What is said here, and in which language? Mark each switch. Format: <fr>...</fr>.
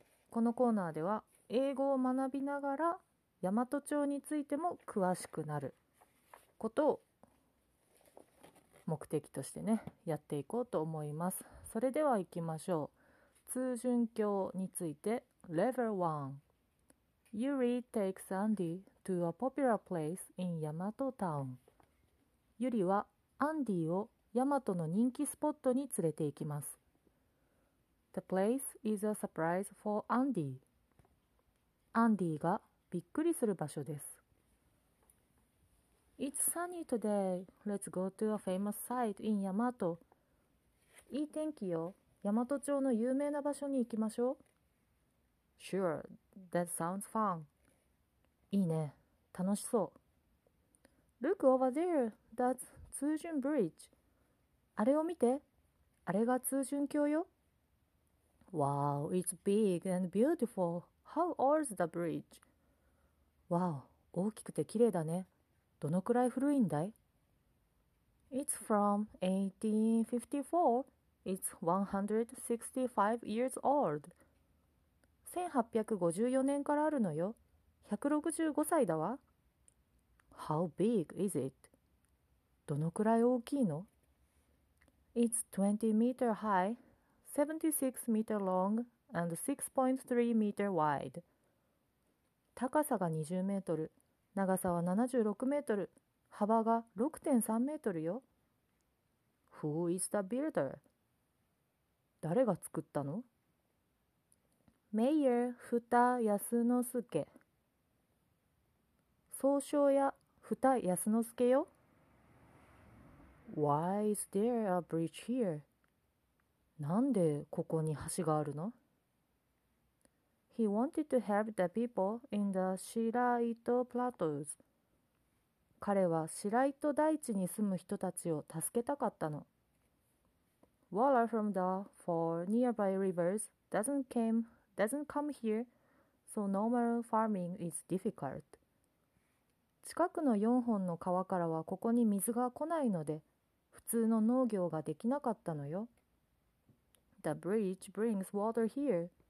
<ja>このコーナーでは英語を学びながら大和町についても詳しくなることを目的としてね、やっていこうと思います。それでは行きましょう。通潤橋について。</ja> <en>Level 1. Yuri takes Andy to a popular place in Yamato Town.</en> <ja>Yuri はアンディをヤマトの人気スポットに連れて行きます。</ja> <en>The place is a surprise for Andy.</en> <ja>アンディがびっくりする場所です。</ja> <en>It's sunny today. Let's go to a famous site in Yamato.</en> <ja>いい天気よ。大和町の有名な場所に行きましょう。 Sure, that sounds fun. いいね。楽しそう。</ja> <en>Look over there. That's 通潤 Bridge.</en> <ja>あれを見て。あれが通潤橋よ。</ja> <en>Wow, it's big and beautiful. How old's the bridge?</en> <ja>Wow, 大きくて綺麗だね。どのくらい古いんだい？</ja> <en>It's from 1854. It's 165 years old.</en> <ja>1854年からあるのよ。165歳だわ。</ja> <en>How big is it?</en> <ja>どのくらい大きいの？</ja> <en>It's 20 meter high, 76 meter long, and 6.3 meter wide.</en> <ja>高さが20メートル、長さは76メートル。幅が 6.3 メートルよ。</ja> <en>Who is the builder?</en> <ja>誰が作ったの？メイヤー・フタ・ヤスノスケ。総称やフタ・ヤスノスケよ。</ja> <en>Why is there a bridge here?</en> <ja>なんでここに橋があるの？</ja> <en>He wanted to help the people in the Shiraito Plateaus.</en> <ja>彼は白糸大地に住む人たちを助けたかったの。</ja> <en>Water from the four nearby rivers doesn't come here, so normal farming is difficult.</en> <ja>近くの4本の川からはここに水が来ないので、普通の農業ができなかったのよ。</ja> <en>The bridge brings water here.</en>